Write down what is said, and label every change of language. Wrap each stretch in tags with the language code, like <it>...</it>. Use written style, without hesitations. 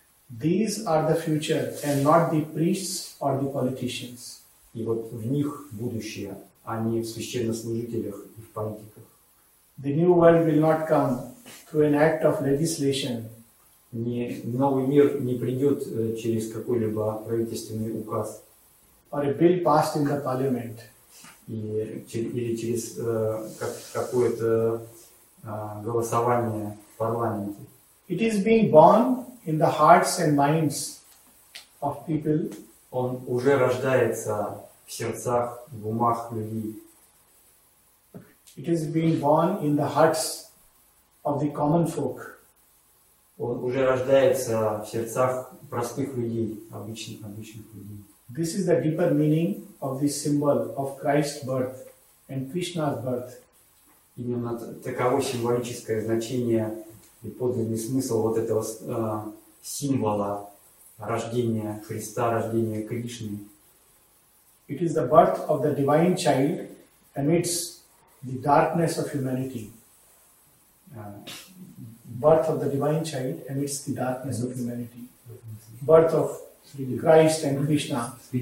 <en>These are the future and not the priests or the politicians.</en> <ru>И вот в них будущее, а не в священнослужителях и в политиках.</ru> <en>The new world will not come through an act of legislation.</en> <ru>Не, новый мир не придет через какой-либо правительственный указ.</ru> <en>Or a bill passed in the parliament.</en> <ru>Или через какое-то голосование в парламенте.</ru> <en>It is being born in the hearts and minds of people.</en> <ru>Он уже рождается в сердцах, в умах людей.</ru> <en>It is being born in the hearts of the common folk.</en> <ru>Он уже рождается в сердцах простых людей, обычных людей.</ru> <en>This is the deeper meaning of this symbol of Christ's birth and Krishna's birth.</en> <ru>Именно таково символическое значение и подлинный смысл вот этого символа рождения Христа, рождения Кришны.</ru> <en>It is the birth of the divine child amidst the darkness of humanity. Birth of the divine child amidst the darkness of humanity. Birth of Christ and Krishna.</en>